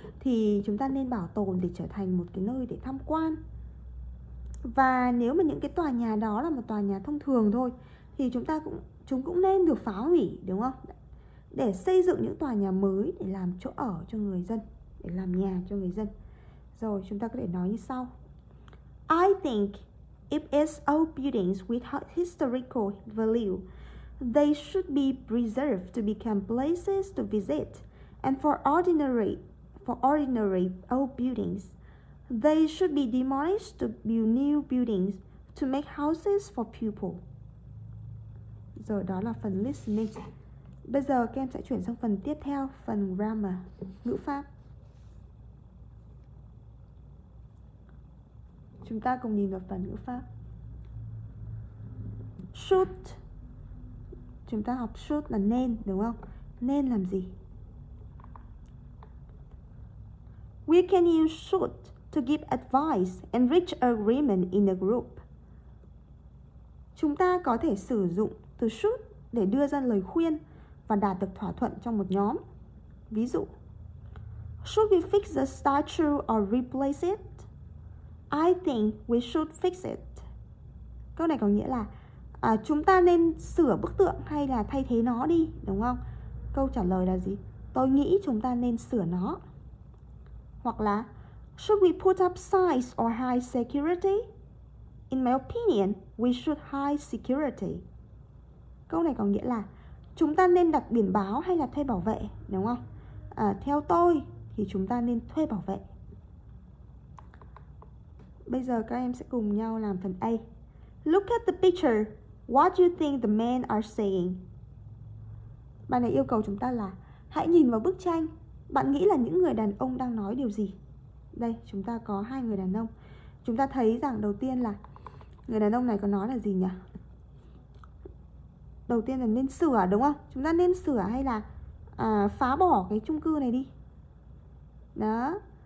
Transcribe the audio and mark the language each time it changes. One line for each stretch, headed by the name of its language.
Vietnamese: Thì chúng ta nên bảo tồn để trở thành một cái nơi để tham quan. Và nếu mà những cái tòa nhà đó là một tòa nhà thông thường thôi, thì chúng cũng nên được phá hủy, đúng không? Để xây dựng những tòa nhà mới để làm chỗ ở cho người dân, để làm nhà cho người dân. Rồi, chúng ta có thể nói như sau.
English: I think if it's old buildings with historical value, they should be preserved to become places to visit. And for ordinary old buildings, they should be demolished to build new buildings to make houses for people.
Vietnamese: Rồi đó là phần listening. Bây giờ các em sẽ chuyển sang phần tiếp theo, phần grammar, ngữ pháp. Chúng ta cùng nhìn vào phần ngữ pháp. Should. Chúng ta học should là nên, đúng không? Nên làm gì?
English: We can use should to give advice and reach agreement in a group.
Vietnamese: Chúng ta có thể sử dụng từ should để đưa ra lời khuyên và đạt được thỏa thuận trong một nhóm. Ví dụ,
English: should we fix the statue or replace it? I think we should fix it.
Vietnamese: Câu này có nghĩa là chúng ta nên sửa bức tượng hay là thay thế nó đi, đúng không? Câu trả lời là gì? Tôi nghĩ chúng ta nên sửa nó. Hoặc là
English: should we put up signs or high security? In my opinion, we should high security.
Vietnamese: Câu này có nghĩa là chúng ta nên đặt biển báo hay là thuê bảo vệ, đúng không? Theo tôi thì chúng ta nên thuê bảo vệ. Bây giờ các em sẽ cùng nhau làm phần A.
English: Look at the picture. What do you think the men are saying?
Vietnamese: Bài này yêu cầu chúng ta là hãy nhìn vào bức tranh. Bạn nghĩ là những người đàn ông đang nói điều gì? Đây, chúng ta có hai người đàn ông. Chúng ta thấy rằng đầu tiên là người đàn ông này có nói là gì nhỉ? Đầu tiên là nên sửa, đúng không? Chúng ta nên sửa hay là phá bỏ cái chung cư này đi. Đó.